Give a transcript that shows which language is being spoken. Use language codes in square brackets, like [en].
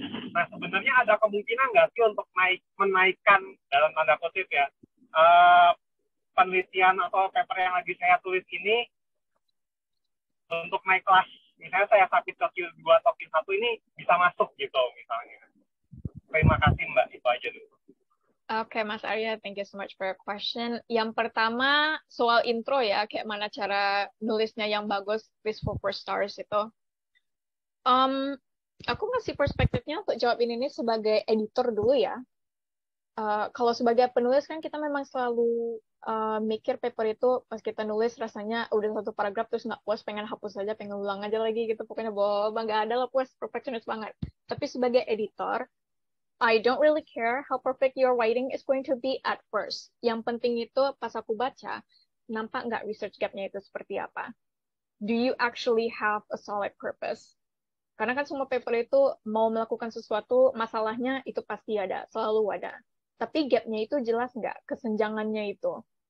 [id] Nah, sebenarnya ada kemungkinan nggak sih untuk menaikkan, dalam tanda kutip ya, penelitian atau paper yang lagi saya tulis ini, untuk naik kelas, misalnya saya submit ke Q2 atau Q1 ini, bisa masuk gitu misalnya. Terima kasih Mbak, itu aja dulu. [en] Okay, Mas Arya, thank you so much for your question. [id] Yang pertama, soal intro ya, kayak mana cara nulisnya yang bagus, [en] please for 4 stars [id] itu. Aku ngasih perspektifnya untuk jawab ini sebagai editor dulu ya. Kalau sebagai penulis kan kita memang selalu mikir paper itu pas kita nulis rasanya udah satu paragraf terus nggak puas, pengen hapus aja, pengen ulang aja lagi gitu. Pokoknya bohong, nggak ada lah puas, perfectionist banget. Tapi sebagai editor, [en] I don't really care how perfect your writing is going to be at first. [id] Yang penting itu pas aku baca, nampak nggak research gap-nya itu seperti apa? [en] Do you actually have a solid purpose? [id] Karena kan semua paper itu mau melakukan sesuatu, masalahnya itu pasti ada, selalu ada. Tapi gap-nya itu jelas nggak, kesenjangannya itu.